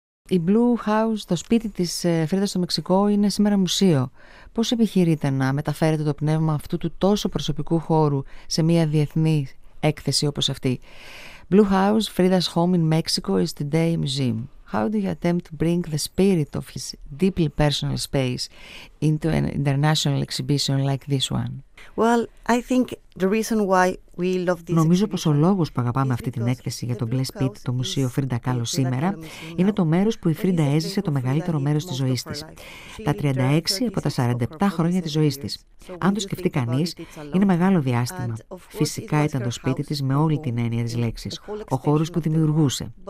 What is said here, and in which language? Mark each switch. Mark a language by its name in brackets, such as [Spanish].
[Greek] Η Blue House, το σπίτι της Φρίντας στο Μεξικό, είναι σήμερα μουσείο. Πώς επιχειρείτε να μεταφέρετε το πνεύμα αυτού του τόσο προσωπικού χώρου σε μια διεθνή έκθεση όπως αυτή? [English] Blue House, Frida's home in Mexico, is today a museum. How do you attempt to bring the spirit of his deeply personal space into an international exhibition like this one? Well, I think the reason why we love this. [Greek] Νομίζω πως ο λόγος που αγαπάμε αυτή την έκθεση για τον Blaise Pitt, το μουσείο Frida Kahlo σήμερα, είναι το μέρος που η Frida έζησε το μεγαλύτερο μέρος της ζωής της. Τα 36 από τα 47 χρόνια της ζωής της. Αν το σκεφτεί κανείς, είναι μεγάλο διάστημα. Φυσικά ήταν το σπίτι της με όλη την έννοια της λέξης. Ο χώρος που δημιουργούσε.